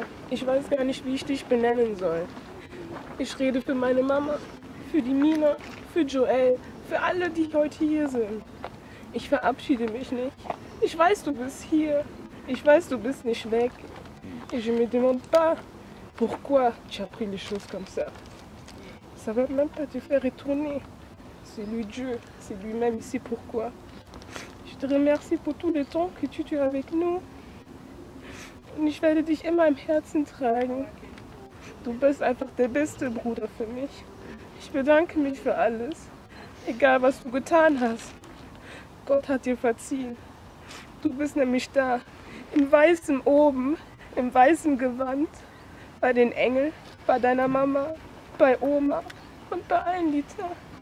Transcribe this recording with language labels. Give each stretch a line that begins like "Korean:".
German: Ich weiß gar nicht, wie ich dich benennen soll. Ich rede für meine Mama, für die Mina, für Joel, für alle, die heute hier sind. Ich verabschiede mich nicht. Ich weiß, du bist hier. Ich weiß, du bist nicht weg.
French: Et je me demande pas pourquoi tu as pris les choses comme ça. Ça va même pas te faire retourner. C'est lui Dieu, c'est lui-même, il sait pourquoi. Je te remercie pour tout le temps que tu as avec nous.
German: Und ich werde dich immer im Herzen tragen. Du bist einfach der beste Bruder für mich. Ich bedanke mich für alles. Egal, was du getan hast. Gott hat dir verziehen. Du bist nämlich da, im weißen oben, im weißen Gewand, bei den Engeln, bei deiner Mama, bei Oma und bei allen Liter.